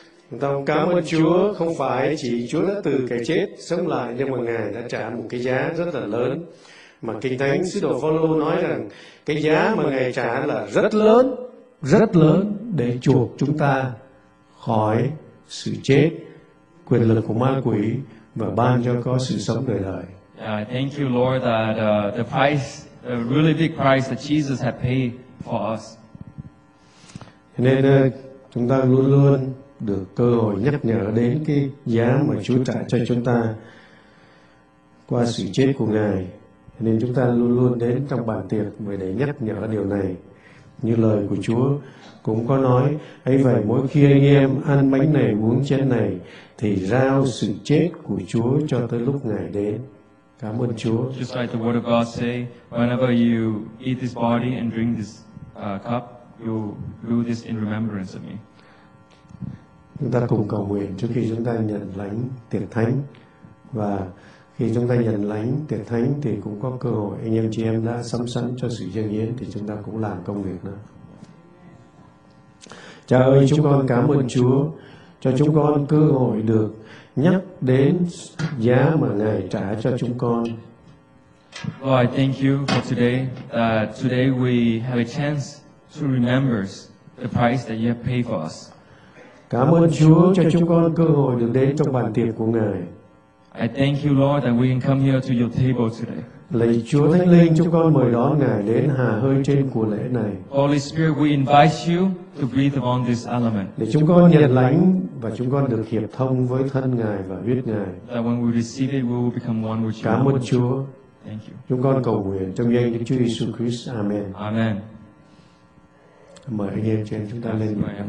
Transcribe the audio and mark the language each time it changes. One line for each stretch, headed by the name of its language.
Vietnamese: Chúng ta cảm ơn Chúa, không phải chỉ Chúa đã từ cái chết sống lại, nhưng mà Ngài đã trả một cái giá rất là lớn. Mà Kinh Thánh Sứ đồ Phaolô nói rằng cái giá mà Ngài trả là rất lớn để chuộc chúng ta khỏi sự chết, quyền lực của ma quỷ, và ban cho có sự sống đời đời.
English: Thank you, Lord, that the price, the really big price that Jesus had paid for us.
Vietnamese: Nên chúng ta luôn luôn được cơ hội nhắc nhở đến cái giá mà Chúa trả cho chúng ta qua sự chết của Ngài. Nên chúng ta luôn luôn đến trong bàn tiệc để nhắc nhở điều này. Như lời của Chúa cũng có nói, ấy vậy mỗi khi anh em ăn bánh này, uống chén này, thì rao sự chết của Chúa cho tới lúc Ngài đến. Cảm ơn Chúa.
English: Just like the word of God say, whenever you eat this body and drink this cup, you do this in remembrance of me.
Vietnamese: Chúng ta cùng cầu nguyện trước khi chúng ta nhận lãnh tiệc thánh. Và khi chúng ta nhận lãnh tiệc thánh thì cũng có cơ hội anh em chị em đã sắm sẵn cho sự dâng hiến, thì chúng ta cũng làm công việc đó. Cha ơi, chúng con cảm ơn Chúa cho chúng con cơ hội được nhắc đến giá mà Ngài trả cho chúng con.
English: Lord, I thank you for today. Today we have a chance to remember the price that you have paid for us.
Vietnamese: Cảm ơn Chúa cho chúng con cơ hội được đến trong bàn tiệc của Ngài.
English: I thank you, Lord, that we can come here to your table today.
Vietnamese: Lạy Chúa Thánh Linh, chúng con mời đón Ngài đến hà hơi trên của lễ này.
English: Holy Spirit, we invite you to breathe upon this element.
Vietnamese: Để chúng con nhận lãnh và chúng con được hiệp thông với thân Ngài và huyết Ngài.
English: That when we receive it, we will become one with you.
Vietnamese: Cảm ơn Chúa.
English: Thank you.
Vietnamese: Chúng con cầu nguyện trong danh Đức Chúa Giêsu Christ.
English: Amen. Amen.
Vietnamese: Mời anh em trên chúng ta lên.